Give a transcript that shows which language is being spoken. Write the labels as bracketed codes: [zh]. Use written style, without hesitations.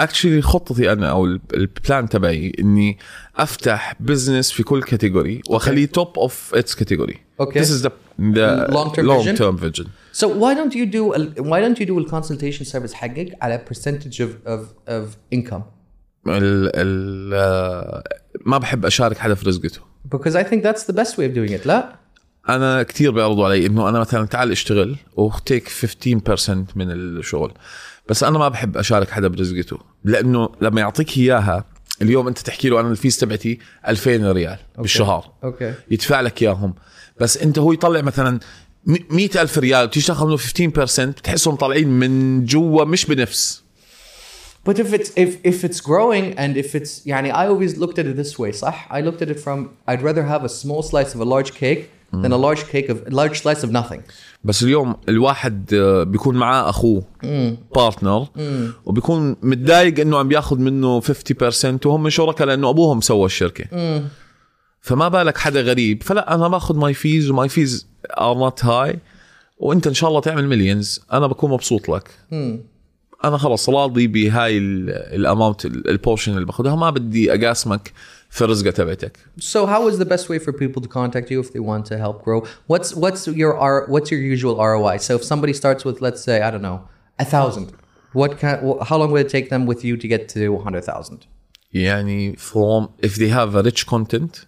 [en] Actually [ar] خطتي أنا أو البلان تبعي إني أفتح بزنس في كل كاتيجوري وأخليه [en] top of its category. Okay. This is the long-term vision. So why don't you do a consultation service [ar] حقك على [en] percentage of income. [ar] ال ما بحب أشارك حدا في رزقته. [en] Because I think that's the best way of doing it. [ar] لا. أنا كتير بيعرضوا علي إنه أنا مثلاً تعال اشتغل وخذك 15% من الشغل. بس أنا ما بحب أشارك حدا في رزقته لأنه لما يعطيك إياها اليوم أنت تحكي له أنا الفيس تبعتي 2000 ريال [en] okay. [ar] بالشهر. [en] Okay. [ar] يدفع لك إياهم. بس أنت هو يطلع مثلاً 100,000 ريال وتشتغل منه 15% بتحسهم طالعين من جوا مش بنفس. [en] But if it's growing and if it's [ar] يعني [en] I always looked at it this way [ar] صح [en] I looked at it from I'd rather have a small slice of a large cake than a large cake of large slice of nothing. [ar] بس اليوم الواحد بيكون معاه أخوه partner وبيكون متضايق إنه عم بياخد منه 50% وهم شركاء لأنه أبوهم سوى الشركة. فما بالك حدا غريب. فلا أنا باخد my fees و [en] my fees are not high [ar] وأنت إن شاء الله تعمل millions أنا بكون مبسوط لك. أنا خلاص راضي بهاي الأماونت البورشن اللي باخذها ما بدي أقاسمك في رزقة تبعتك. [en] So how is the best way for people to contact you if they want to help grow? What's your usual ROI? So if somebody starts with let's say I don't know 1,000, how long will it take them with you to get to 100,000? [ar] يعني [en] from if they have a rich content,